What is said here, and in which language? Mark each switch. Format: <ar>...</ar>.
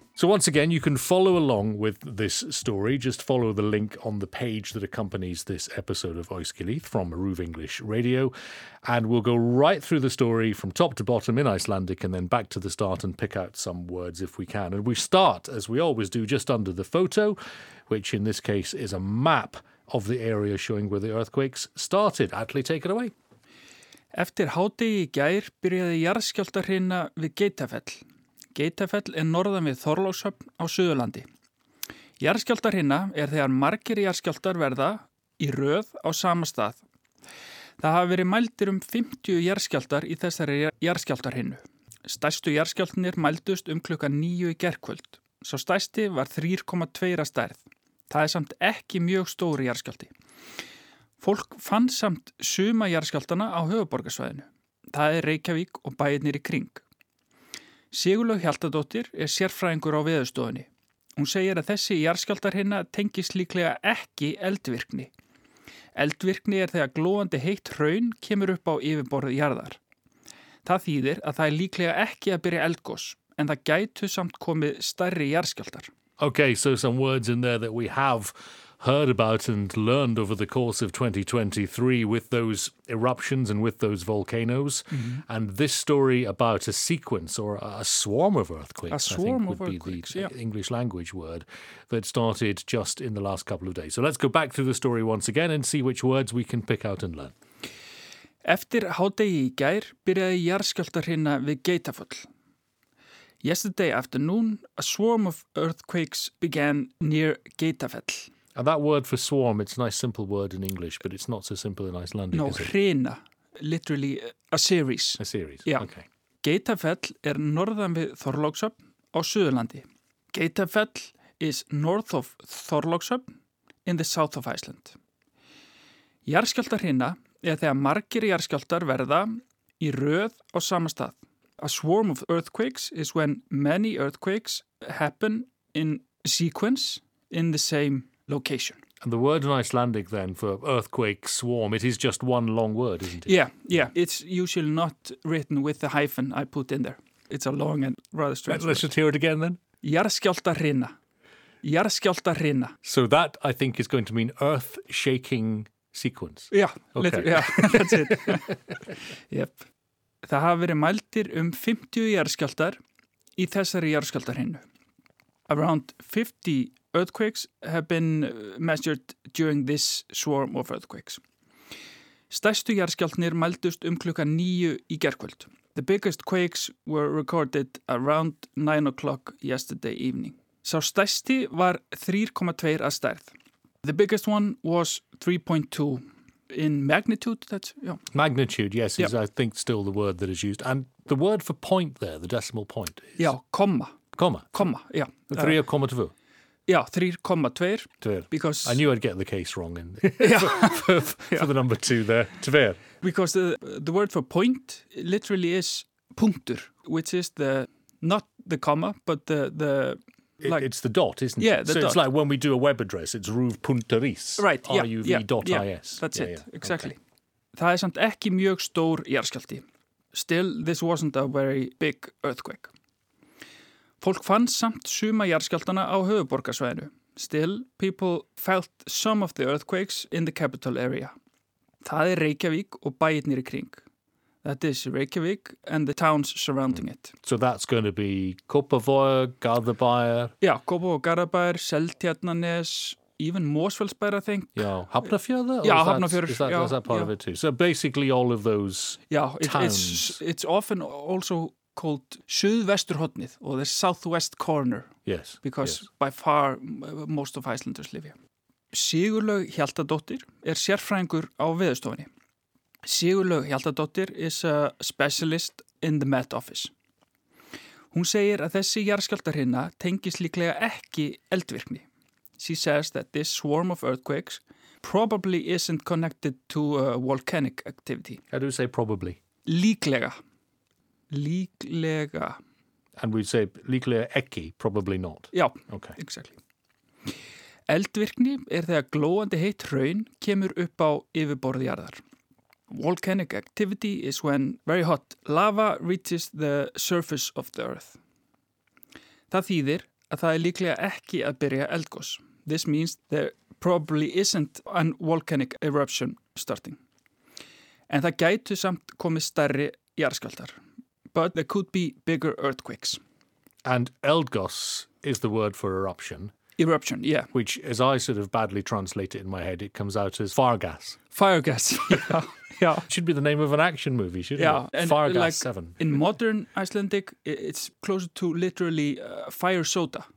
<en>So once again, you can follow along with this story. Just follow the link on the page that accompanies this episode of AUÐSKILIÐ from RÚV English Radio. And we'll go right through the story from top to bottom in Icelandic and then back to the start and pick out some words if we can. And we start, as we always do, just under the photo, which in this case is a map of the area showing where the earthquakes started. Atli, take it away.</en> <is>Eftir hádegi í gær byrjaði jarðskjálftahrina við Geitafell. Geitafell norðan við Þorlákshöfn á Suðurlandi. Jarðskjálftahrina þegar margir jarðskjálftar verða í röð á sama stað. Það hafa verið mældir 50 jarðskjálftar í þessari jarðskjálftahrinu. Stærstu jarðskjálftarnir mældust klukkan 9 í gærkvöld. Sá stærsti var 3,2 að stærð. Það samt ekki mjög stóri jarðskjálfti. Fólk fann samt suma jarðskjálftana á höfuðborgarsvæðinu. Það Reykjavík og bæirnir í kring. Sigurlaug Hjaltadóttir sérfræðingur á veðurstofunni. Hún segir að þessi jarðskjálftahrina tengist líklega ekki eldvirkni. Eldvirkni þegar glóandi heitt hraun kemur upp á yfirborð jarðar. Það þýðir að það líklega ekki að byrja eldgos, en það gætu samt komið stærri jarðskjálftar.</is> <en>Okay, so some words in there that we have heard about and learned over the course of 2023 with those eruptions and with those volcanoes. Mm-hmm. And this story about a sequence or a swarm of earthquakes, I think would be the English language word, that started just in the last couple of days. So let's go back through the story once again and see which words we can pick out and learn.</en> <is>Eftir hádegi í gær byrjaði jarðskjálftahrina við Geitafjall.</is> <en>Yesterday afternoon, a swarm of earthquakes began near Geitafell. And that word for swarm, it's a nice simple word in English, but it's not so simple in Icelandic, no, is it? No, hrina, literally a series. A series, yeah. Okay.</en> <is>Geitafell norðan við Þorlákshöfn á Suðurlandi.</is> <en>Geitafell is north of Þorlákshöfn in the south of Iceland.</en> <is>Jarðskjálftahrina þegar margir jarðskjálftar verða í röð á sama stað.</is> <en>A swarm of earthquakes is when many earthquakes happen in sequence in the same location. And the word in Icelandic then for earthquake swarm, it is just one long word, isn't it? Yeah. It's usually not written with the hyphen I put in there. It's a long and rather strange word. Let's just hear it again then.</en> <is>Jarðskjálftahrina. Jarðskjálftahrina.</is> <en>So that, I think, is going to mean earth-shaking sequence. Yeah. Okay. Yeah, that's it. Yep.</en> <is>Það hafa verið mældir 50 jarðskjálftar í þessari jarðskjálftahrinu.</is> <en>Around 50 earthquakes have been measured during this swarm of earthquakes.</en> <is>Stærstu jarðskjálftarnir mældust klukkan 9 í gærkvöld.</is> <en>The biggest quakes were recorded around 9 o'clock yesterday evening.</en> <is>Sá stærsti var 3,2 að stærð.</is> <en>The biggest one was 3.2. In magnitude, Magnitude, yes, is I think still the word that is used. And the word for point there, the decimal point. Is... Yeah, comma. Comma? Comma, yeah. 3,2. Yeah, 3,2.</en> <is>Tver.</is> <en>Because... I knew I'd get the case wrong in for the number two there.</en> <is>Tver.</is> <en>Because the word for point literally is punktur, which is the, not the comma, but the like, it's the dot, isn't it? Yeah, the so dot. It's like when we do a web address, it's ruv.is. Right, yeah. ruv.is. Yeah, that's it, exactly.</en> <is>Það samt ekki mjög stór jarðskjálfti.</is> <en>Still, this wasn't a very big earthquake.</en> <is>Fólk fann samt suma jarðskjálftana á höfuðborgarsvæðinu.</is> <en>Still, people felt some of the earthquakes in the capital area.</en> <is>Það Reykjavík og bæirnir í kring.</is> <en>That is Reykjavík and the towns surrounding it. So that's going to be Kópavogur, Garðabær. Yeah, Kópavogur, Garðabær, Seltjarnarnes, even Mosfellsbær, I think. Yeah, Hafnarfjörður. Yeah, Hafnarfjörður. Is that part of it too? So basically all of those towns. It's often also called Suðvesturhornið or the southwest corner. Yes. Because by far most of Icelanders live here.</en> <is>Sigurlaug Hjaltadóttir sérfræðingur á veðurstofunni.</is> <en>Sigurlaug Hjaltadóttir is a specialist in the Met Office.</en> <is>Hún segir að þessi jarðskjálftahrina tengist líklega ekki eldvirkni.</is> <en>She says that this swarm of earthquakes probably isn't connected to volcanic activity. How do you say probably?</en> <is>Líklega. Líklega.</is> <en>And we say</en> <is>líklega ekki,</is> <en>probably not.</en> <is>Já,</is> <en>okay. Exactly.</en> <is>Eldvirkni er þegar glóandi heitt hraun kemur upp á yfirborði jarðar.</is> <en>Volcanic activity is when very hot lava reaches the surface of the earth.</en> <is>Það þýðir að það líklega ekki að byrja eldgos.</is> <en>This means there probably isn't a volcanic eruption starting.</en> <is>En það gætu samt komið stærri jarðskjálftar.</is> <en>But there could be bigger earthquakes. And eldgos is the word for eruption. Eruption, yeah. Which, as I sort of badly translate it in my head, it comes out as fire gas. Fire gas, yeah. Yeah. Should be the name of an action movie, shouldn't it? And fire like gas 7. In modern Icelandic, it's closer to literally fire soda.</en>